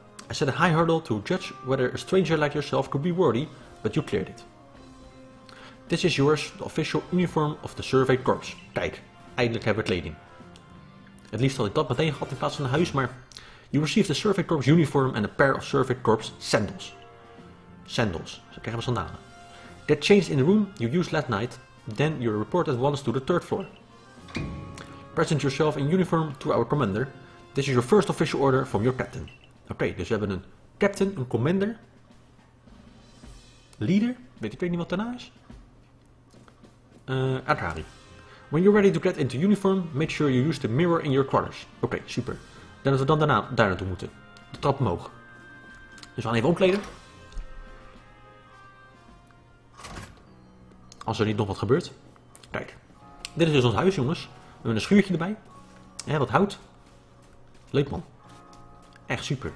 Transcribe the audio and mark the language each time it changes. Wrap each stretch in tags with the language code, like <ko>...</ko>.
<en>I set a high hurdle to judge whether a stranger like yourself could be worthy, but you cleared it. This is yours, the official uniform of the survey corps.</en> <nl>Kijk, eindelijk hebben we kleding. Het liefst had ik dat meteen gehad in plaats van een huis, maar...</nl> <en>You received the Survey Corps uniform and a pair of Survey Corps sandals. Sandals.</en> <nl>Ze krijgen maar sandalen.</nl> <en>That changed in the room you used last night, then you reported at once to the third floor. Present yourself in uniform to our commander. This is your first official order from your captain.</en> <nl>Oké, dus we hebben een captain, een commander. Leader? Weet ik niet wat daarna is.</nl> <en>Akari. When you're ready to get into uniform, make sure you use the mirror in your quarters.</en> <nl>Oké, super. Dan dat we dan daarna daar naartoe moeten. De trap omhoog. Dus we gaan even omkleden. Als er niet nog wat gebeurt. Kijk. Dit is dus ons huis, jongens. We hebben een schuurtje erbij. En wat hout. Leuk, man. Echt super.</nl>